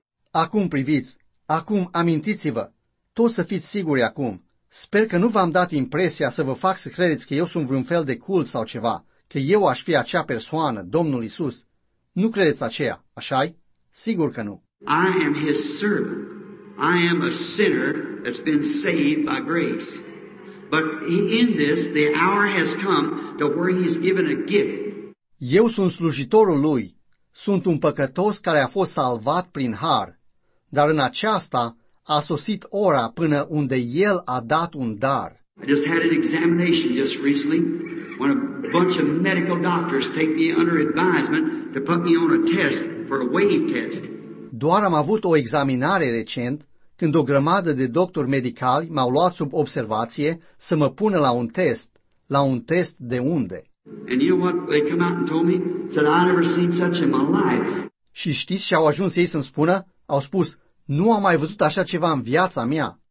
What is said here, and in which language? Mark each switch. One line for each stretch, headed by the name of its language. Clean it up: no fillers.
Romanian: Acum priviți, acum amintiți-vă, toți să fiți siguri acum. Sper că nu v-am dat impresia să vă fac să credeți că eu sunt vreun fel de cult sau ceva, că eu aș fi acea persoană, Domnul Iisus. Nu credeți aceea, așa-i? Sigur că nu.
English: I am his servant. I am a sinner that's been saved by grace. But in this, the hour has come to where he's given a gift.
Romanian: Eu sunt slujitorul lui. Sunt un păcătos care a fost salvat prin har, dar în aceasta a sosit ora până unde el a dat un dar.
English: I just had an examination just recently when a bunch of medical doctors take me under advisement to put me on a test for a wave test.
Romanian: Doar am avut o examinare recent când o grămadă de doctori medicali m-au luat sub observație să mă pună la un test, la un test de unde.
English: And you know what they come out and told me? Said I never seen such in my life.
Romanian: Și știți ce au ajuns ei să-mi spună? Au spus, nu am mai văzut așa ceva în viața mea.